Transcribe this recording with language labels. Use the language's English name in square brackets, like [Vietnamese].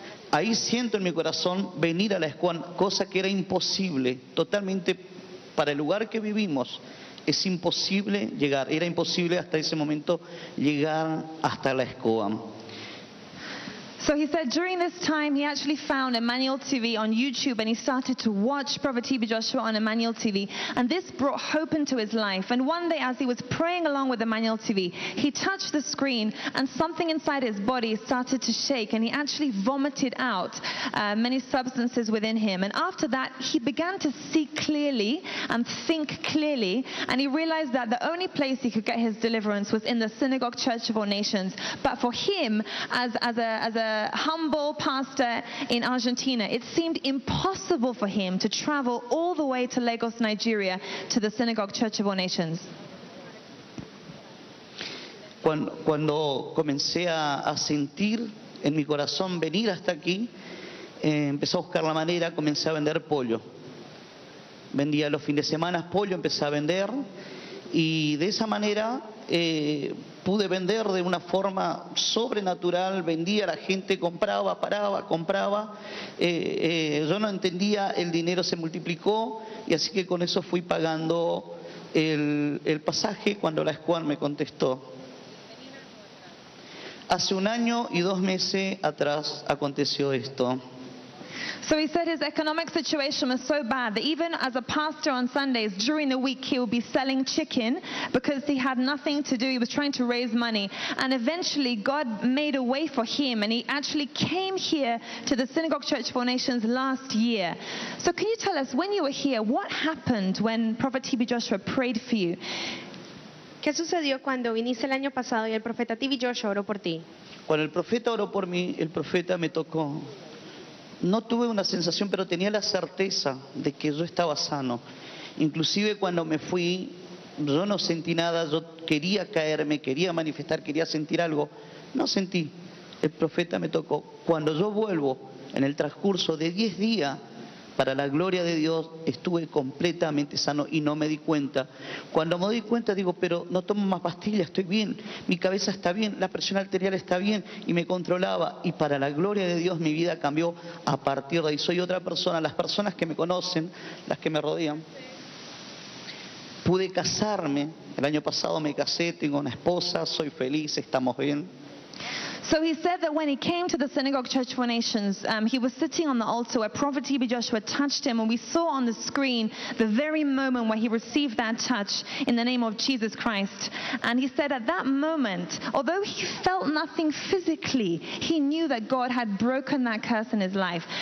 [Spanish] Ahí siento en mi corazón venir a la SCOAN, cosa que era imposible, totalmente para el lugar que vivimos, es imposible llegar, era imposible hasta ese momento llegar hasta la SCOAN. [English] So he said during this time he actually found Emmanuel TV on YouTube and he started to watch Prophet TB Joshua on Emmanuel TV, and this brought hope into his life. And one day as he was praying along with Emmanuel TV, he touched the screen and something inside his body started to shake, and he actually vomited out many substances within him. And after that he began to see clearly and think clearly, and he realized that the only place he could get his deliverance was in the synagogue church of all nations. But for him, as a humble pastor in Argentina, it seemed impossible for him to travel all the way to Lagos, Nigeria, to the Synagogue Church of All Nations. [Spanish] Cuando comencé a sentir en mi corazón venir hasta aquí, empecé a buscar la manera, comencé a vender pollo. Vendía los fines de semana pollo, empecé a vender, y de esa manera pude vender de una forma sobrenatural, vendía, la gente compraba, paraba, compraba. Yo no entendía, el dinero se multiplicó, y así que con eso fui pagando el pasaje cuando la SCOAN me contestó. Hace un año y dos meses atrás aconteció esto. [English] So he said his economic situation was so bad that even as a pastor on Sundays during the week he would be selling chicken because he had nothing to do. He was trying to raise money, and eventually God made a way for him, and he actually came here to the Synagogue Church of All Nations last year. So can you tell us, when you were here, what happened when Prophet TB Joshua prayed for you? [Spanish] ¿Qué sucedió cuando viniste el año pasado y el profeta TB Joshua oró por ti? Cuando el profeta oró por mí, el profeta me tocó. No tuve una sensación, pero tenía la certeza de que yo estaba sano. Inclusive cuando me fui, yo no sentí nada, yo quería caerme, quería manifestar, quería sentir algo. No sentí. El profeta me tocó. Cuando yo vuelvo, en el transcurso de 10 días, para la gloria de Dios, estuve completamente sano y no me di cuenta. Cuando me di cuenta, digo, pero no tomo más pastillas, estoy bien, mi cabeza está bien, la presión arterial está bien, y me controlaba. Y para la gloria de Dios, mi vida cambió a partir de ahí. Soy otra persona. Las personas que me conocen, las que me rodean, pude casarme. El año pasado me casé, tengo una esposa, soy feliz, estamos bien. [English] So he said that when he came to the Synagogue Church for Nations, he was sitting on the altar where Prophet TB Joshua touched him, and we saw on the screen the very moment where he received that touch in the name of Jesus Christ. And he said at that moment, although he felt nothing physically, he knew that God had broken that curse in his life.